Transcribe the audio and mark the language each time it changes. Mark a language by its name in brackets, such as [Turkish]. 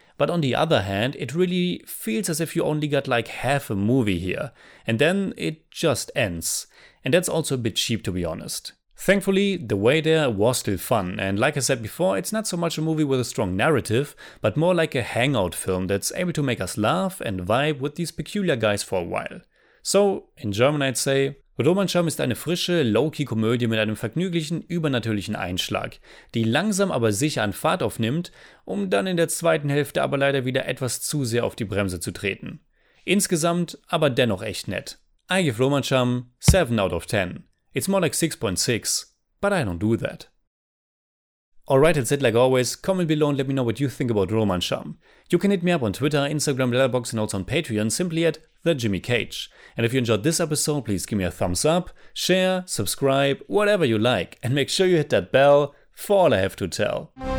[English] But on the other hand, it really feels as if you only got like half a movie here, and then it just ends. And that's also a bit cheap, to be honest. Thankfully, the way there was still fun, and like I said before, it's not so much a movie with a strong narrative, but more like a hangout film that's able to make us laugh and vibe with these peculiar guys for a while. So, in German I'd say, [German] Romancham ist eine frische, low-key Komödie mit einem vergnüglichen, übernatürlichen Einschlag, die langsam aber sicher an Fahrt aufnimmt, um dann in der zweiten Hälfte aber leider wieder etwas zu sehr auf die Bremse zu treten. Insgesamt aber dennoch echt nett. [English] I give Romancham 7 out of 10. It's more like 6.6, but I don't do that. Alright, that's it like always. Comment below and let me know what you think about Romancham. You can hit me up on Twitter, Instagram, Letterboxd and also on Patreon simply at TheJimmyCage. And if you enjoyed this episode, please give me a thumbs up, share, subscribe, whatever you like, and make sure you hit that bell for all I have to tell.